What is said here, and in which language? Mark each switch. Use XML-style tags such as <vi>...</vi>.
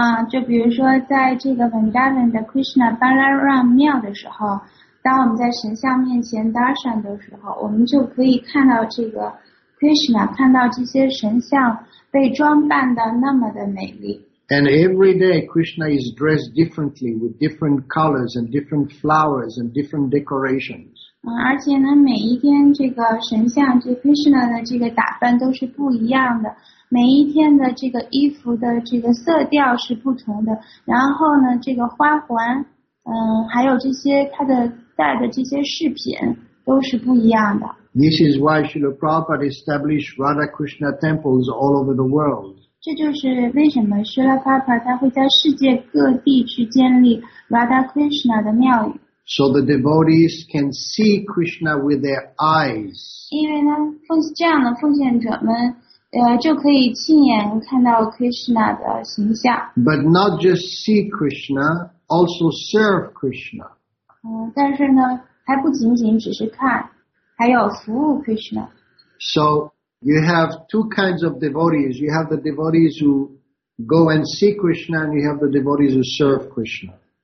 <zh>就比如说在这个Vrindavan的 Krishna Balaram 庙的时候，当我们在神像面前 darshan 的时候，我们就可以看到这个 Krishna, 看到这些神像被装扮得那么的美丽。</zh> <en>And every day Krishna is dressed differently with different colors and different flowers and different decorations.</en> <zh>而且呢，每一天这个神像，这 Krishna的这个打扮都是不一样的。每一天的这个衣服的这个色调是不同的。然后呢，这个花环，还有这些他的戴的这些饰品都是不一样的。</zh> <en>This is why Srila Prabhupada established Radha Krishna temples all over the world.</en> <zh>这就是为什么Srila Prabhupada会在世界各地去建立 Radha Krishna的庙宇。</zh> <en>So the devotees can see Krishna with their eyes.</en> <zh>因为呢，这样的奉献者们，就可以亲眼看到 Krishna的形象。</zh> <en>But not just see Krishna, also serve Krishna.</en> <zh>但是呢，还不仅仅只是看。</zh> <en>So you have two kinds of devotees. You have the devotees who go and see Krishna, and you have the devotees who serve Krishna.</en>